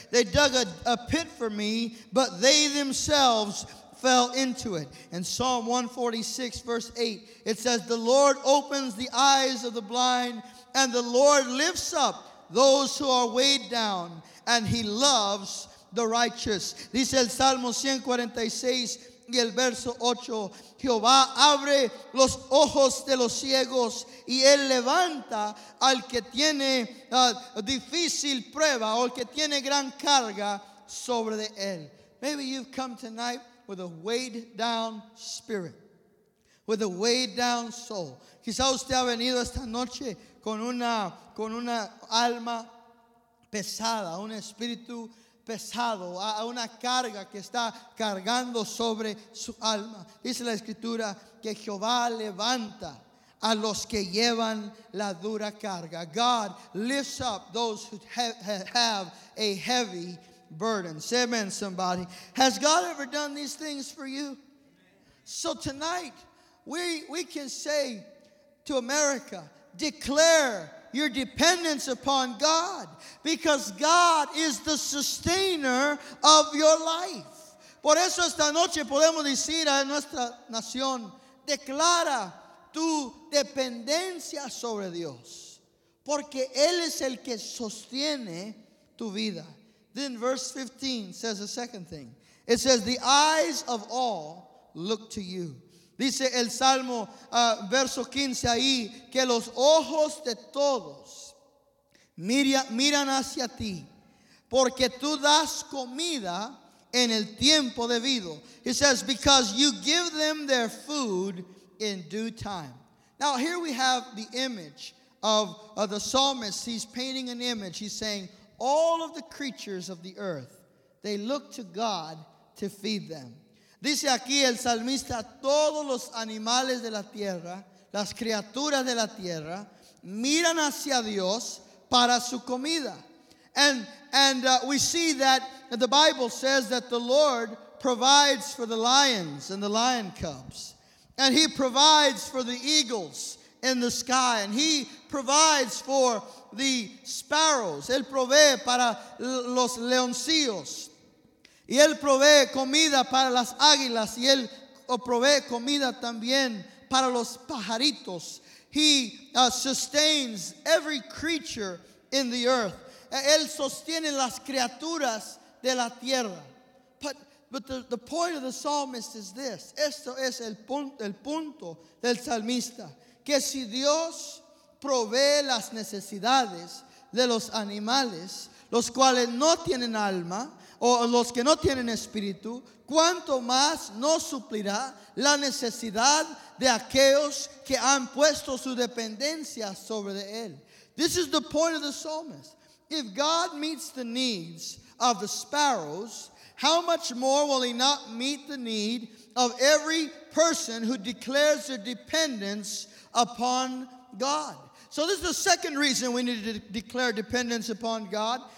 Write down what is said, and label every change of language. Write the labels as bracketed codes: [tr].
[en] They dug a pit for me, but they themselves fell into it. And Psalm 146, verse 8, it says, the Lord opens the eyes of the blind, and the Lord lifts up those who are weighed down, and he loves the righteous. [es] Dice el Salmo 146, y el verso 8, Jehová abre los ojos de los ciegos y él levanta al que tiene difícil prueba o al que tiene gran carga sobre de él. Maybe you've come tonight with a weighed down spirit, with a weighed down soul. Quizá usted ha venido esta noche con una alma pesada, un espíritu pesado, a una carga que está cargando sobre su alma. Dice la escritura que Jehová levanta a los que llevan la dura carga. [en] God lifts up those who have a heavy burden. Say amen, somebody. Has God ever done these things for you? So tonight, we can say to America, declare your dependence upon God, because God is the sustainer of your life. [es] Por eso esta noche podemos decir a nuestra nación, declara tu dependencia sobre Dios, porque Él es el que sostiene tu vida. [en] Then verse 15 says the second thing. It says, the eyes of all look to you. [es] Dice el Salmo, verso 15 ahí, que los ojos de todos miran hacia ti, porque tú das comida en el tiempo debido. [en] He says, because you give them their food in due time. Now here we have the image of the psalmist. He's painting an image. He's saying, all of the creatures of the earth, they look to God to feed them. [es] Dice aquí el salmista, todos los animales de la tierra, las criaturas de la tierra, miran hacia Dios para su comida. [en] And we see that the Bible says that the Lord provides for the lions and the lion cubs. And He provides for the eagles in the sky. And He provides for the sparrows. [es] Él provee para los leoncillos. Y Él provee comida para las águilas. Y Él provee comida también para los pajaritos. [en] He sustains every creature in the earth. [es] Él sostiene las criaturas de la tierra. [en] But the point of the psalmist is this. [es] Esto es el punto del salmista. Que si Dios provee las necesidades de los animales, los cuales no tienen alma, o los que no tienen espíritu, ¿cuánto más no suplirá la necesidad de aquellos que han puesto su dependencia sobre él? [en] This is the point of the psalmist. If God meets the needs of the sparrows, how much more will He not meet the need of every person who declares their dependence upon God? So this is the second reason we need to declare dependence upon God.